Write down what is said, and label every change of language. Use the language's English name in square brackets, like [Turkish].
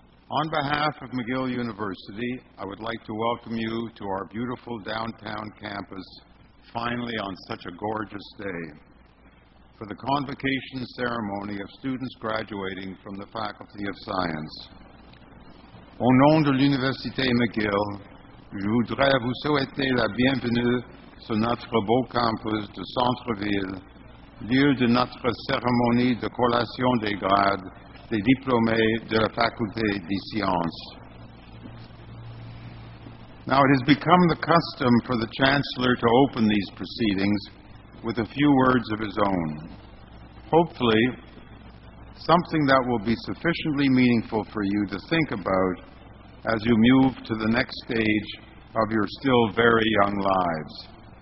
[English] On behalf of McGill University, I would like to welcome you to our beautiful downtown campus, finally on such a gorgeous day, for the convocation ceremony of students graduating from the Faculty of Science. [French] Au nom de l'Université McGill, je voudrais vous souhaiter la bienvenue sur notre beau campus de centre-ville, lieu de notre cérémonie de collation des grades des diplômés de la Faculté des Sciences. [English] Now, it has become the custom for the Chancellor to open these proceedings with a few words of his own. Hopefully, something that will be sufficiently meaningful for you to think about as you move to the next stage of your still very young lives.